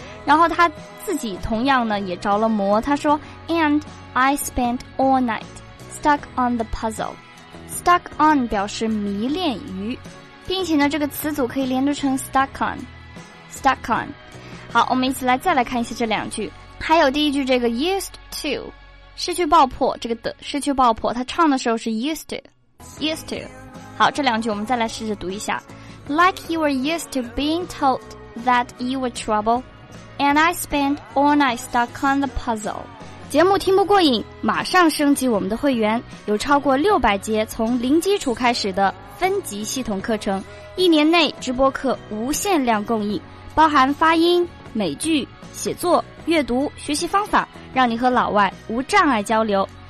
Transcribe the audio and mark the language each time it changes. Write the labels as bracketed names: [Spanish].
[Chinese] 然后他自己同样呢也着了魔，他说 [English] And I spent all night stuck on the puzzle， [Chinese] stuck on 表示迷恋于，并且呢这个词组可以连读成 stuck on。好，我们一起来再来看一下这两句，还有第一句这个 used to 失去爆破，这个的失去爆破他唱的时候是 used to。好，这两句我们再来试着读一下。 [English] Like you were used to being told that you were trouble, and I spent all night stuck on the puzzle. [Chinese] 节目听不过瘾，马上升级我们的会员，有超过600节从零基础开始的分级系统课程，一年内直播课无限量供应，包含发音、美剧、写作、阅读、学习方法，让你和老外无障碍交流。